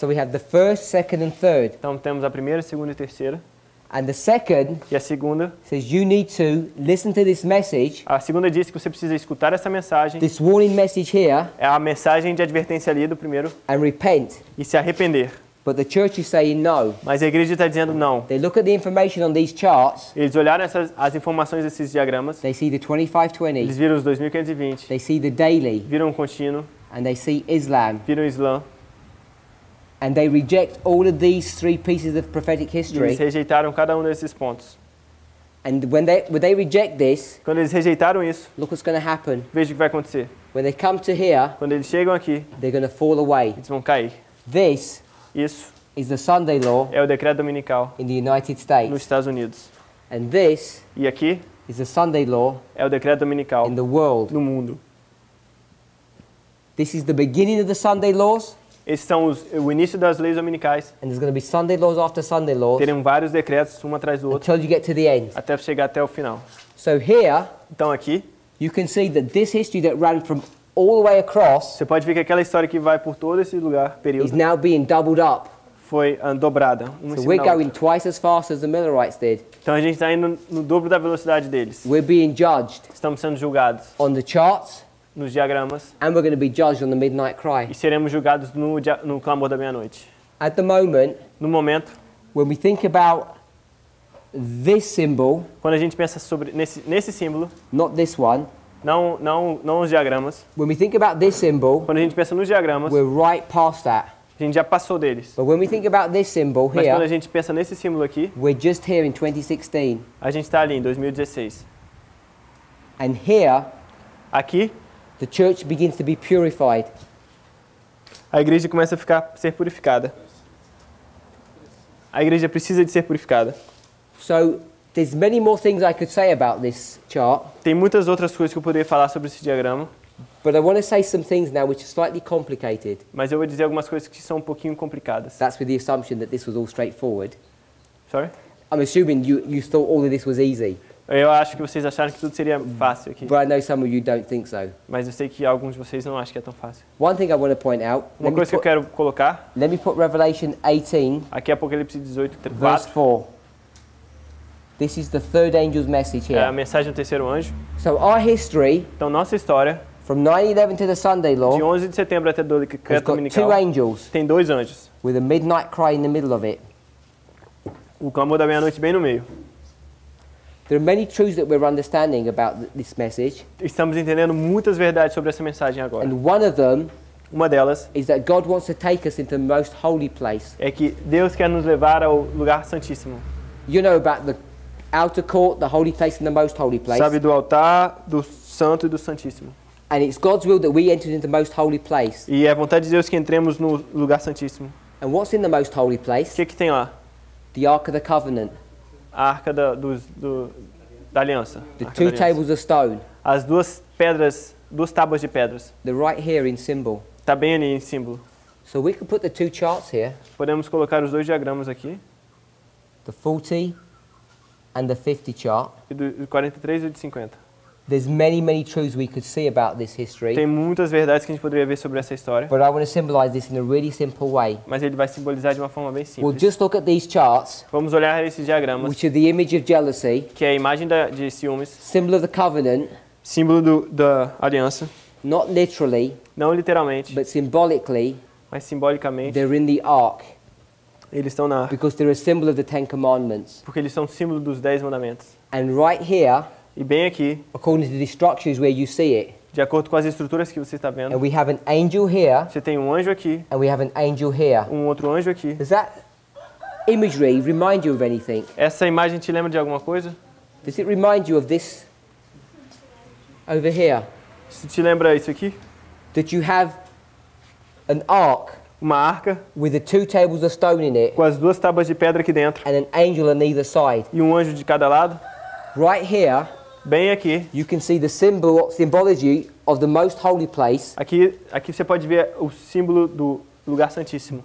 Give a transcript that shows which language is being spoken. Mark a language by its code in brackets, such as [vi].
[en] So we have the first, second and third. [pt] Então temos a primeira, segunda e terceira. [en] And the second. [pt] E a segunda. [en] Says you need to listen to this message. [pt] A segunda diz que você precisa escutar essa mensagem. [en] This warning message here. [pt] É a mensagem de advertência ali do primeiro. [en] And repent. [pt] E se arrepender. [en] But the church is saying no. [pt] Mas a igreja está dizendo não. [en] They look at the information on these charts. [pt] Eles olharam as informações desses diagramas. [en] They see the 2520. [pt] Eles viram os 2520. [en] They see the daily. [pt] Viram o contínuo. [en] And they see Islam. [pt] Viram o Islã. [en] And they reject all of these three pieces of prophetic history. [pt] Eles rejeitaram cada desses pontos. [en] And when they reject this, [pt] quando eles rejeitaram isso, [en] look what's going to happen. [pt] Veja o que vai acontecer. [en] When they come to here, [pt] quando eles chegam aqui, [en] they're going to fall away. [pt] Eles vão cair. [en] This. [pt] Isso [en] is the Sunday law [pt] é o decreto dominical [en] in the United States. [pt] Nos Estados Unidos. [en] And this [pt] e aqui [en] is the Sunday law [pt] é o decreto dominical [en] in the world. [pt] No mundo. [en] This is the beginning of the Sunday laws. [pt] Esses são o início das leis dominicais. [en] And there's going to be Sunday laws after Sunday laws. [pt] Teremos vários decretos, um atrás do outro. [en] Until you get to the end. [pt] Até chegar até o final. [en] So here, [pt] então aqui, [en] you can see that this history that ran from all the way across. [pt] Você pode ver que aquela história que vai por todo esse lugar, período. [en] Is now being doubled up. [pt] Foi dobrada. [en] So we're going twice as fast as the Millerites did. [pt] Então a gente está indo no dobro da velocidade deles. [en] We're being judged. [pt] Estamos sendo julgados. [en] On the charts. [pt] Nos diagramas. [en] And we're going to be judged on the midnight cry. [pt] E seremos julgados no clamor da meia-noite. [en] At the moment. [pt] No momento. [en] When we think about this symbol. [pt] Quando a gente pensa sobre nesse símbolo. [en] Not this one. [pt] Não os diagramas. [en] When we think about this symbol, [pt] quando a gente pensa nos diagramas, [en] we're right past that. [pt] A gente já passou deles. [en] But when we think about this symbol here, [pt] mas quando a gente pensa nesse símbolo aqui, [en] we're just here in 2016. [pt] A gente está ali em 2016. [en] And here, [pt] aqui, [en] the church begins to be purified. [pt] A igreja começa a ficar ser purificada. A igreja precisa de ser purificada. [en] So there's many more things I could say about this chart. [pt] Tem muitas outras coisas que eu poderia falar sobre esse diagrama. [en] But I want to say some things now which are slightly complicated. [pt] Mas eu vou dizer algumas coisas que são pouquinho complicadas. [en] That's with the assumption that this was all straightforward. Sorry? I'm assuming you thought all of this was easy. [pt] Eu acho que vocês acharam que tudo seria fácil aqui. [en] But I know some of you don't think so. [pt] Mas eu sei que alguns de vocês não acham que é tão fácil. [en] One thing I want to point out. [pt] Uma coisa que eu quero colocar. [en] Let me put Revelation 18. [pt] Aqui é Apocalipse 18, 4. [en] Verse 4. This is the third angel's message here. [pt] É a mensagem do terceiro anjo. [en] So our history. [pt] Então nossa história. [en] From 9/11 to the Sunday law. [pt] De 11 de setembro até o decreto dominical. [en] Two angels. [pt] Tem dois anjos. [en] With a midnight cry in the middle of it. [pt] O clamor da meia-noite bem no meio. [en] There are many truths that we're understanding about this message. [pt] Estamos entendendo muitas verdades sobre essa mensagem agora. [en] And one of them. [pt] Uma delas. [en] Is that God wants to take us into the most holy place. [pt] É que Deus quer nos levar ao lugar santíssimo. [en] You know about the outer court, the holy place and the most holy place. [pt] Sabe do altar, do santo e do santíssimo. [en] And it's God's will that we enter into the most holy place. [pt] E é a vontade de Deus que entremos no lugar santíssimo. [en] And what's in the most holy place? [pt] O que tem lá? [en] The Ark of the Covenant. [pt] A Arca da Aliança. [en] The two tables of stone. [pt] As duas pedras, duas tábuas de pedras. [en] They're right here in symbol. [pt] Tá bem ali em símbolo. [en] So we can put the two charts here. [pt] Podemos colocar os dois diagramas aqui. [en] The 40 and the 50 chart. [pt] E do 43 e do 50. [en] There's many, many truths we could say about this history. [pt] Tem muitas verdades que a gente poderia ver sobre essa história. [en] But I want to symbolize this in a really simple way. [pt] Mas ele vai simbolizar de uma forma bem simples. [en] We'll just look at these charts. [pt] Vamos olhar esses diagramas. [en] Which are the image of jealousy. [pt] Que é a imagem de ciúmes. [en] Symbol of the covenant. [pt] Símbolo da aliança. [en] Not literally. [pt] Não literalmente. [en] But symbolically. [pt] Mas simbolicamente. [en] They're in the ark. [pt] Eles estão na. [en] Because they're a symbol of the Ten Commandments. [pt] Porque eles são símbolo dos 10 mandamentos. [en] And right here. [pt] E bem aqui, [en] according to the structures where you see it, [pt] de acordo com as estruturas que você está vendo, [en] and we have an angel here, [pt] você tem um anjo aqui, [en] and we have an angel here, [pt] um outro anjo aqui. [en] Does that imagery remind you of anything? [pt] Essa imagem te lembra de alguma coisa? [en] Does it remind you of this over here? [pt] Isso te lembra isso aqui? [en] That you have an ark, [pt] uma arca, [en] with the two tables of stone in it, [pt] com as duas tábuas de pedra aqui dentro, [en] and an angel on either side, [pt] e um anjo de cada lado. [en] Right here, [pt] bem aqui, [en] you can see the symbol, symbology of the most holy place. [pt] Aqui você pode ver o símbolo do lugar santíssimo.